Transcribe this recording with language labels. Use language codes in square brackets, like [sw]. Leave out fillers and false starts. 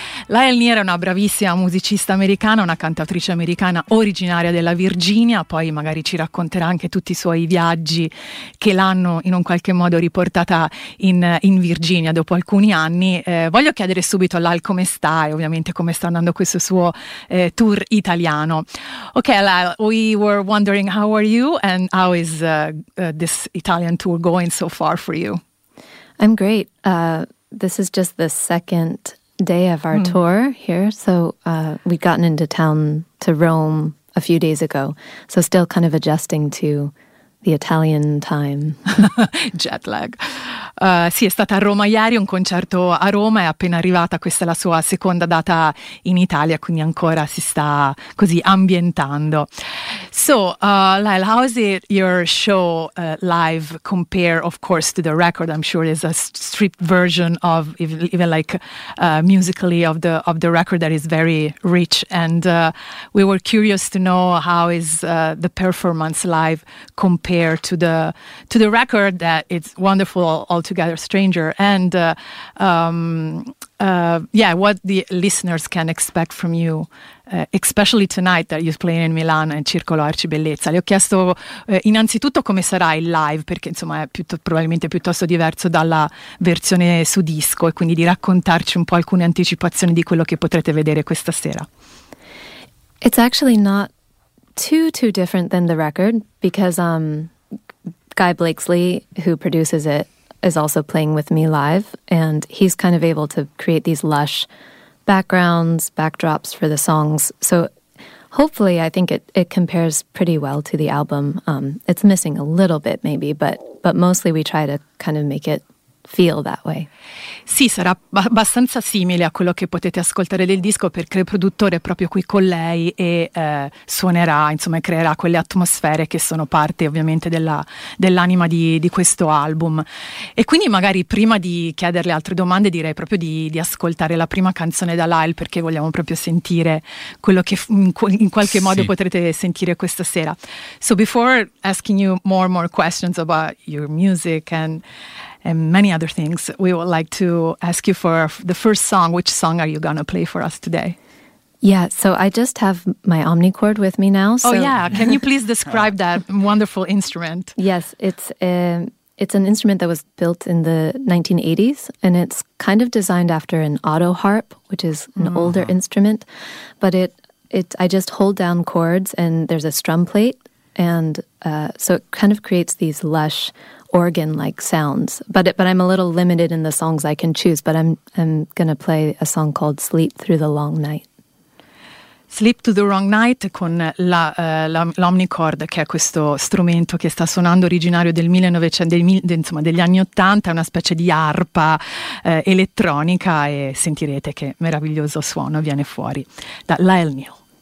[it] Lael Neal è una bravissima musicista americana, una cantautrice americana originaria della Virginia, poi magari ci racconterà anche tutti i suoi viaggi che l'hanno in un qualche modo riportata in Virginia dopo alcuni anni. Voglio chiedere subito a Lael come sta e ovviamente come sta andando questo suo tour italiano. [en] Ok, Lael, we were wondering how are you and how is this Italian tour going so far for you? I'm great. This is just the second day of our tour here. So we'd gotten into town to Rome a few days ago. So still kind of adjusting to the Italian time. Jet lag. [it] Sì, è stata a Roma ieri, un concerto a Roma, è appena arrivata, questa è la sua seconda data in Italia, quindi ancora si sta così ambientando. [en] So, Lael, how is it your show live compare, of course, to the record? I'm sure it's a stripped version of, even like musically, of the record that is very rich. And we were curious to know how is the performance live compare to the record that it's wonderful altogether. Together, Stranger, and what the listeners can expect from you, especially tonight that you're playing in Milan and Circolo Arcibellezza. [it] Le ho chiesto innanzitutto come sarà il live, perché insomma è probabilmente piuttosto diverso dalla versione su disco, e quindi di raccontarci un po' alcune anticipazioni di quello che potrete vedere questa sera. [en] It's actually not too different than the record, because Guy Blakeslee, who produces it, is also playing with me live, and he's kind of able to create these lush backgrounds, backdrops for the songs. So hopefully I think it compares pretty well to the album. It's missing a little bit maybe, but mostly we try to kind of make it feel that way. [it] Sì, sarà abbastanza simile a quello che potete ascoltare del disco, perché il produttore è proprio qui con lei e suonerà, insomma, creerà quelle atmosfere che sono parte ovviamente dell'anima di questo album. E quindi magari prima di chiederle altre domande, direi proprio di ascoltare la prima canzone da Lael, perché vogliamo proprio sentire quello che in qualche modo potrete sentire questa sera. [en] So before asking you more questions about your music and many other things, we would like to ask you for the first song. Which song are you going to play for us today? Yeah, so I just have my Omnicord with me now. So. Oh yeah, can you please describe that wonderful instrument? Yes, it's an instrument that was built in the 1980s, and it's kind of designed after an auto harp, which is an older instrument. But I just hold down chords, and there's a strum plate, and so it kind of creates these lush organ-like sounds, but I'm a little limited in the songs I can choose, but I'm gonna play a song called Sleep Through the Long Night. [it] Sleep to the Wrong Night, con l'Omnicord, che è questo strumento che sta suonando, originario del 1900, insomma degli anni 80, è una specie di arpa elettronica, e sentirete che meraviglioso suono viene fuori da Lael Neal.